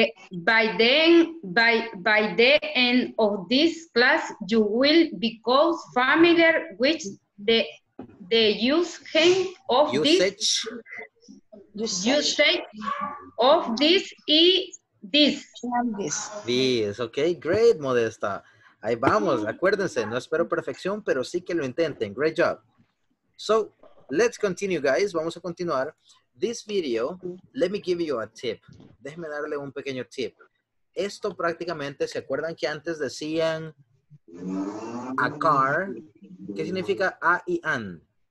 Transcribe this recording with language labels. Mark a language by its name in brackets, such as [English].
[English] By the end of this class, you will become familiar with the usage of this. Okay, great, Modesta. [Spanish] Ahí vamos. Acuérdense, no espero perfección, pero sí que lo intenten. [English] Great job. So, let's continue, guys. [Spanish] Vamos a continuar. [English] This video, let me give you a tip. [Spanish] Déjeme darle un pequeño tip. Esto prácticamente, ¿se acuerdan que antes decían a car? ¿Qué significa a y an?